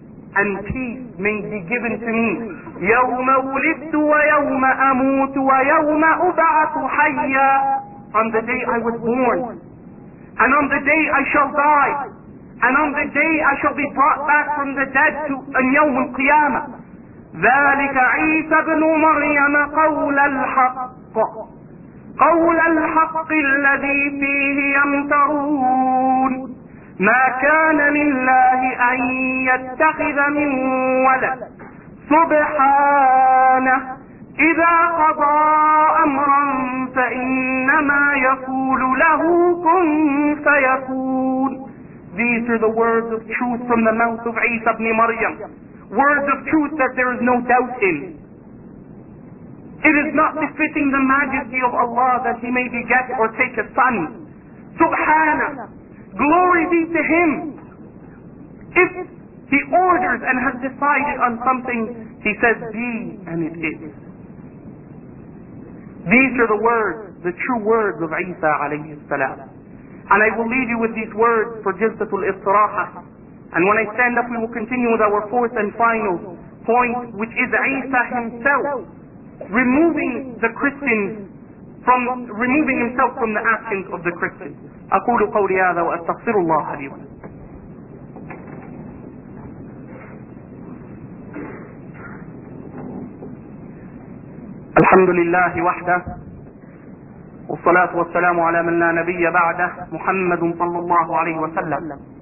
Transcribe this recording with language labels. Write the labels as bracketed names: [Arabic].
[English] And peace may be given to me. [Arabic] يَوْمَ وُلِدْتُ وَيَوْمَ أَمُوتُ وَيَوْمَ أُبْعَثُ حَيًّا. [English] On the day I was born, and on the day I shall die, and on the day I shall be brought back from the dead to a يوم القيامة. [Arabic] ذلك عيسى بن مريم قول الحق. قول الحق الذي فيه يمترون. ما كان لله أن يتخذ من ولد. سبحانه. إذا قضى أمرا فإنما يقول له كن فيكون. [English] These are the words of truth from the mouth of Isa ibn Maryam. Words of truth that there is no doubt in. It is not befitting the majesty of Allah that he may beget or take a son. Subhana, glory be to him. If he orders and has decided on something, he says be and it is. These are the words, the true words of Isa alayhi salam. And I will leave you with these words for Jilsatul Istiraha. And when I stand up, we will continue with our fourth and final point, which is Isa himself removing the Christians from, removing himself from the actions of the Christians. [Arabic] أقول قولي هذا وأستغفر الله لي ولكم. الحمد لله وحده. والصلاة والسلام على من لا نبي بعده محمد صلى الله عليه وسلم.